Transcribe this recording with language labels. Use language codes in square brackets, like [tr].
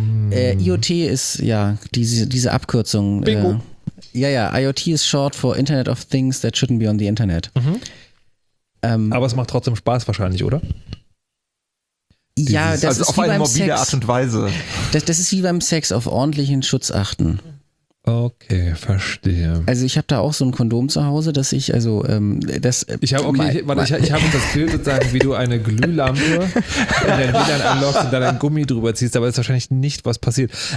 [de] IoT ist, ja, diese Abkürzung. Bingo. [en] IoT is short for Internet of Things that shouldn't be on the Internet. Mhm. [de] Aber es macht trotzdem Spaß wahrscheinlich, oder? Ja, das ist wie beim Sex. Auf eine mobile Art und Weise. Das ist wie beim Sex, auf ordentlichen Schutz achten. Okay, verstehe. Also ich habe da auch so ein Kondom zu Hause, dass ich, also das... Ich habe das Bild sozusagen, wie du eine Glühlampe in den WLAN anlockst und dann ein Gummi drüber ziehst, aber das ist wahrscheinlich nicht, was passiert.